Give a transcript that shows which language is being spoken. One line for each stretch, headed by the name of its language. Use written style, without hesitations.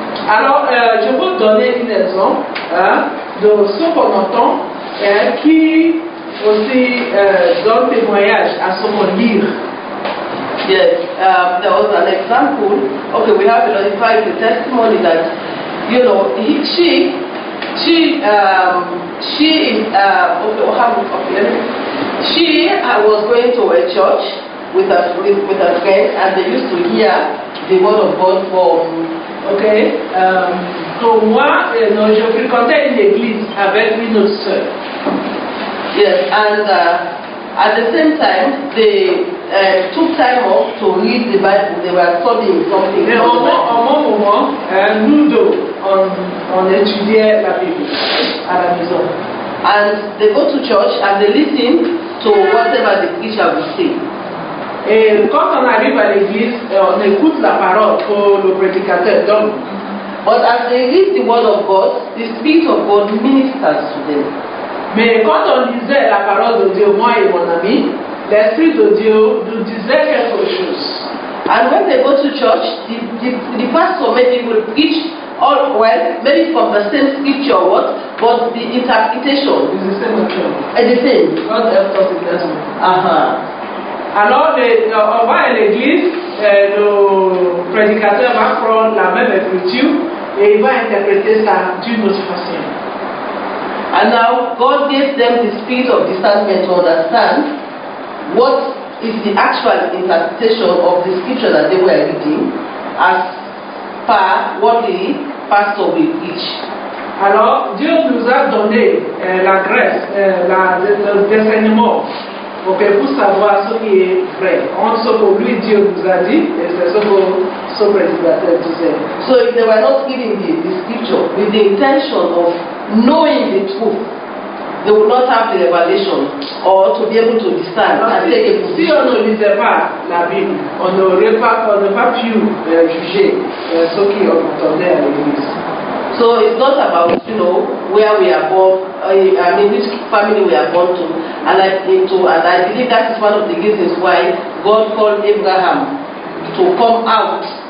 French: Alors, je vais vous donner une exemple de ce qu'on entend qui aussi donne témoignage à ce qu'on lit.
English: Yes, there was an example. Okay, we have identified the testimony that, you know, she was going to a church with a friend, and they used to hear the word of God from.
French: Okay, pour moi, non, je fréquentais une église avec une sœur.
English: Yes, and at the same time, they took time off to read the Bible. They were studying something.
French: Et au moment, nous deux, on étudiait la Bible à la maison.
English: And they go to church and they listen to whatever the preacher will say.
French: Et quand on arrive à l'église, on écoute la parole pour le prédicateur. Donc,
English: but as they read the word of God, the Spirit of God ministers to them.
French: Mais quand on lisait la parole de Dieu, moi et mon ami, l'Esprit de Dieu nous disait quelque chose.
English: And when they go to church, the pastor maybe will preach all well, maybe from the same scripture or what, but the interpretation is the same. Okay. The same. God helped us in that one. Uh-huh.
French: Alors, on va à l'église, le prédicateur va prendre la même écriture et il va interpréter ça d'une autre façon.
English: And now God gives them the spirit of discernment to understand what is the actual interpretation of the scripture that they were reading as per what the pastor will preach.
French: Alors, Dieu nous a donné la grâce, le discernement, okay, pour savoir ce qui est vrai. On ce que lui, Dieu nous a dit, et c'est ce que ce prédicateur disait.
English: So if they were not reading the scripture with the intention of knowing the truth, they will not have the revelation or to be able to discern and take a position.
French: Si on ne lisait pas la Bible, on n'aurait pas pu juger ce qui entendait à l'église.
English: So it's not about, you know, where we are born, which family we are born to, and I believe that is one of the reasons why God called Abraham to come out.